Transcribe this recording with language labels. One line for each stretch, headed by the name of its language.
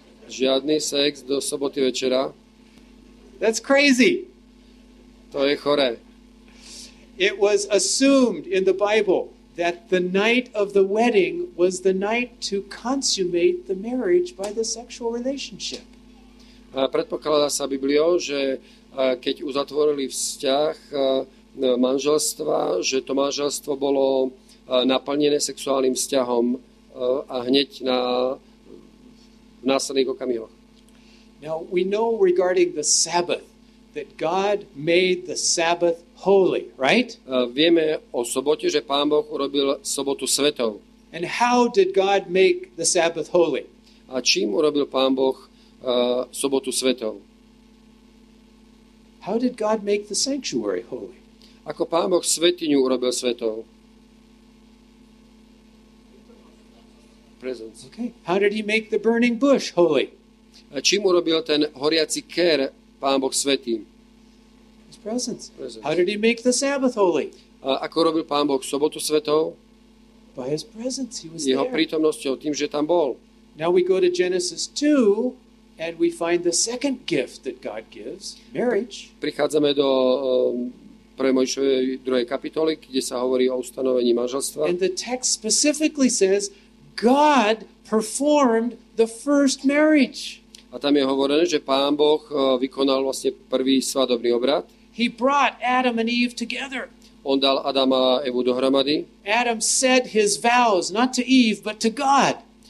Slovak: Žiadny sex do soboty večera.
English: That's crazy.
Slovak: To je choré.
English: It was assumed in the Bible that the night of the wedding was the night to consummate the marriage by the sexual relationship.
Slovak: Predpokladá sa Bibliou, že keď uzatvorili vzťah manželstva, že to manželstvo bolo naplnené sexuálnym vzťahom a hneď v následných okamihoch.
English: Now we know regarding the Sabbath that God made the Sabbath holy, right?
Slovak: Vieme o sobote, že Pán Boh urobil sobotu svätou.
English: And how did God make the Sabbath holy?
Slovak: A čím urobil Pán Boh sobotu svätou?
English: How did God make the sanctuary holy?
Slovak: Ako Pán Boh svätyňu urobil svätou?
English: Presence. Okay. How did he make the burning bush holy?
Slovak: A čím urobil ten horiaci ker Pán Boh svätý?
English: Presence. How did he make the Sabbath holy?
Slovak: Ako robil Pán Boh sobotu svetou?
English: By his presence, he was there.
Slovak: Jeho prítomnosťou, tým, že tam bol.
English: Now we go to Genesis 2. And we find the second gift that God gives, marriage.
Slovak: Prichádzame do pre Mojšovej druhej kapitoly, kde sa hovorí o ustanovení manželstva.
English: And the text specifically says God performed the first marriage.
Slovak: A tam je hovorené, že Pán Boh vykonal vlastne prvý svadobný obrad.
English: He brought Adam and Eve together.
Slovak: On dal Adama a Evu dohromady.
English: Adam said his vows not to Eve, but to God.